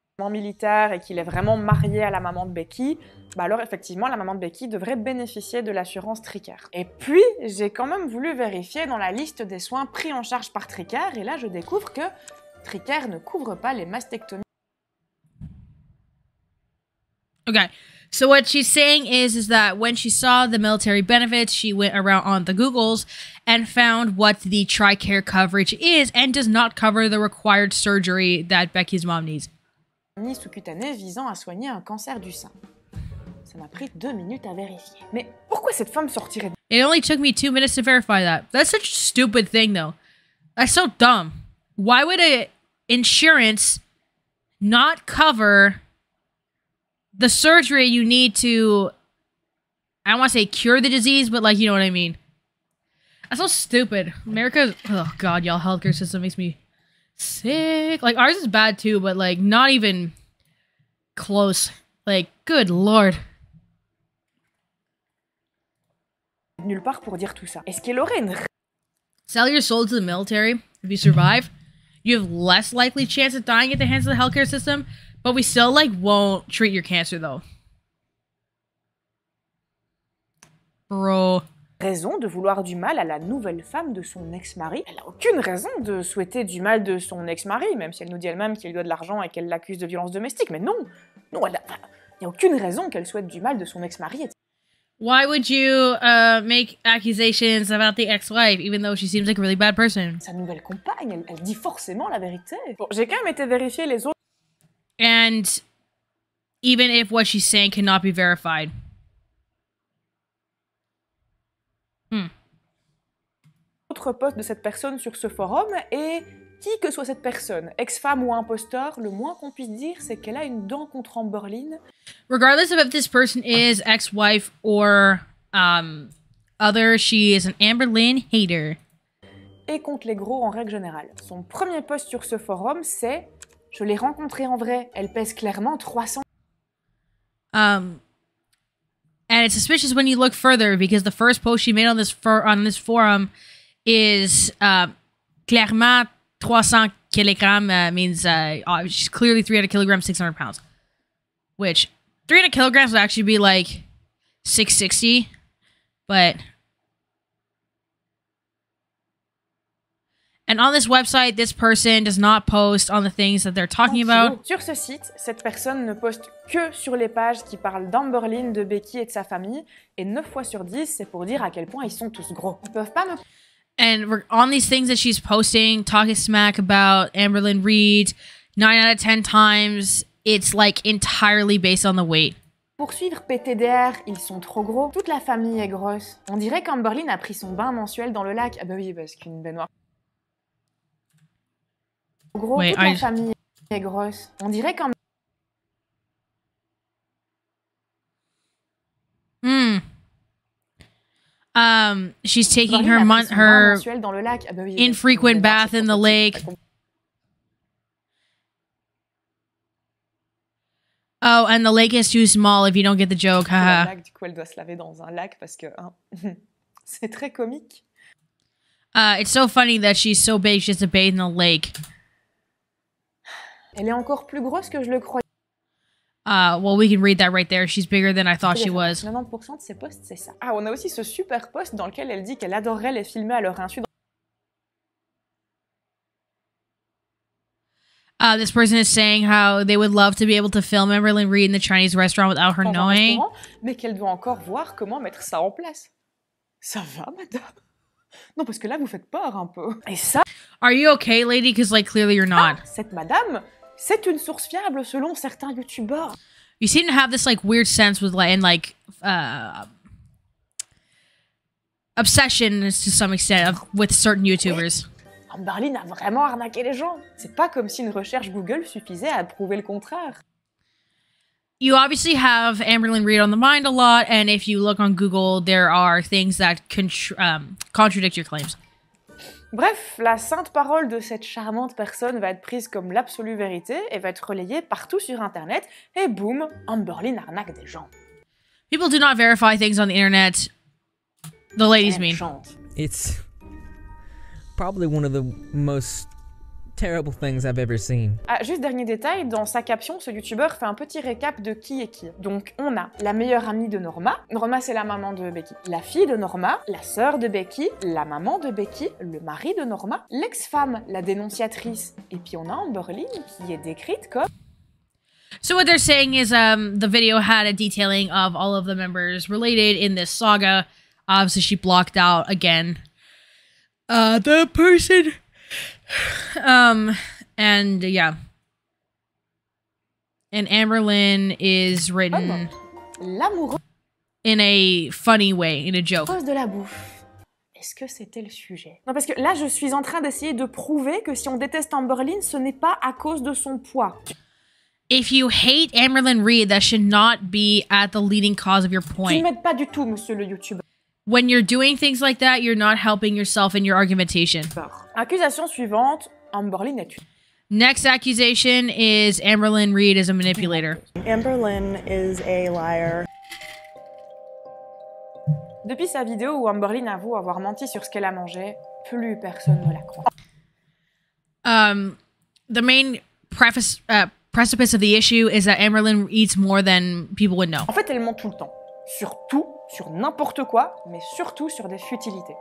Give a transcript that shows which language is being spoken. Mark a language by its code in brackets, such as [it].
[fr] Militaire et qu'il est vraiment marié à la maman de Becky, bah alors effectivement la maman de Becky devrait bénéficier de l'assurance Tricare. Et puis j'ai quand même voulu vérifier dans la liste des soins pris en charge par Tricare et là je découvre que Tricare ne couvre pas les mastectomies. [en] Okay, so what she's saying is that when she saw the military benefits, she went around on the Googles and found what the Tricare coverage is and does not cover the required surgery that Becky's mom needs. [fr] Sous-cutanée visant à soigner un cancer du sein. Ça m'a pris 2 minutes à vérifier. Mais pourquoi cette femme sortirait de... [en] It only took me 2 minutes to verify that. That's such a stupid thing, though. That's so dumb. Why would a insurance not cover the surgery you need to... I don't want to say cure the disease, but like, you know what I mean. That's so stupid. America... Oh, God, y'all, healthcare system makes me... sick. Like, ours is bad too, but like, not even close. Like, good lord. [fr] Nulle part pour dire tout ça. Est-ce qu'elle aurait une... [en] Sell your soul to the military. If you survive, you have less likely chance of dying at the hands of the healthcare system, but we still, like, won't treat your cancer, though. Bro. [fr] Raison de vouloir du mal à la nouvelle femme de son ex-mari. Elle a aucune raison de souhaiter du mal de son ex-mari, même si elle nous dit elle-même qu'elle lui doit de l'argent et qu'elle l'accuse de violence domestique. Mais non, non, elle a... y a aucune raison qu'elle souhaite du mal de son ex-mari. [en] Why would you make accusations about the ex-wife, even though she seems like a really bad person? [fr] Sa nouvelle compagne, elle dit forcément la vérité. Bon, j'ai quand même été vérifier les autres. [en] And even if what she's saying cannot be verified. [fr] Autre poste de cette personne sur ce forum et qui que soit cette personne, ex-femme ou imposteur, le moins qu'on puisse dire c'est qu'elle a une dent contre Amberlynn. [en] Regardless of if this person is ex-wife or other, she is an Amberlynn hater. [fr] Et contre les gros en règle générale. Son premier poste sur ce forum c'est je l'ai rencontrée en vrai, elle pèse clairement 300. [en] And it's suspicious when you look further because the first post she made on this forum is clairement 300 kilograms means she's clearly 300 kilograms, 600 pounds. Which 300 kilograms would actually be like 660, but. And on this website, this person does not post on the things that they're talking about. [fr] Sur ce site, cette personne ne poste que sur les pages qui parlent d'Amberlynn, de Becky et de sa famille. Et 9 fois sur 10, c'est pour dire à quel point ils sont tous gros. Ils peuvent pas me... [en] And on these things that she's posting, talking smack about Amberlynn Reid, 9 out of 10 times, it's like entirely based on the weight. [fr] Poursuivre PTDR, ils sont trop gros. Toute la famille est grosse. On dirait qu'Amberlynn a pris son bain mensuel dans le lac. Ah bah oui, parce qu'une baignoire... Gros, wait, toute la famille est grosse. On dirait quand [en] même. She's taking her [fr] mensuel dans le lac. Ah bah oui, [en] infrequent bath in the lake. Oh, and the lake is too small if you don't get the joke. Haha. [fr] Du coup, elle doit se laver dans un lac parce que hein, c'est très comique. [en] It's so funny that she's so big, she has to bathe in the lake. [fr] Elle est encore plus grosse que je le croyais. [en] Well, we can read that right there. She's bigger than I thought she was. [fr] 90% de ses posts, c'est ça. Ah, on a aussi ce super post dans lequel elle dit qu'elle adorerait les filmer à leur insu. [en] This person is saying how they would love to be able to film Amberlynn Reid in the Chinese restaurant without her knowing. [fr] Mais qu'elle doit encore voir comment mettre ça en place. Ça va, madame? Non, parce que là, vous faites peur un peu. Et ça... [en] Are you okay, lady? Because, like, clearly you're not. [fr] Ah, cette madame... C'est une source fiable selon certains youtubeurs. [en] You seem to have this like weird sense with like, and like obsession to some extent of, with certain youtubers. [fr] Amberlynn a vraiment arnaqué les gens. C'est pas comme si une recherche Google suffisait à prouver le contraire. [en] you obviously have Amberlynn Reid on the mind a lot, and if you look on Google, there are things that contradict your claims. [fr] Bref, la sainte parole de cette charmante personne va être prise comme l'absolue vérité et va être relayée partout sur Internet, et boum, Amberlynn arnaque des gens. [en] People do not verify things on the Internet. The lady's mean. Chante. It's probably one of the most terrible things I've ever seen. [fr] Ah, juste dernier détail, dans sa caption, ce youtubeur fait un petit récap de qui est qui. Donc, on a la meilleure amie de Norma. Norma, c'est la maman de Becky. La fille de Norma, la sœur de Becky, la maman de Becky, le mari de Norma, l'ex-femme, la dénonciatrice. Et puis, on a Amberlynn qui est décrite comme... [en] So what they're saying is the video had a detailing of all of the members related in this saga. Obviously, she blocked out again the person... and yeah. And Amberlynn is written [fr] l'amoureux [en] in a funny way, in a joke. [fr] Cause de la bouffe. Est-ce que c'était le sujet? Non, parce que là, je suis en train d'essayer de prouver que si on déteste Amberlynn, ce n'est pas à cause de son poids. [en] If you hate Amberlynn Reid, that should not be at the leading cause of your point. [fr] Tu m'aides pas du tout, monsieur le YouTuber. [en] When you're doing things like that, you're not helping yourself in your argumentation. [fr] Accusation suivante, Amberlynn est une... [en] Next accusation is Amberlynn Reid is a manipulator. Amberlynn is a liar. [fr] Depuis sa vidéo où Amberlynn avoue avoir menti sur ce qu'elle a mangé, plus personne ne la croit. [en] The main precipice of the issue is that Amberlynn eats more than people would know. [fr] En fait, elle ment tout le temps. Sur tout, sur n'importe quoi, mais surtout sur des futilités.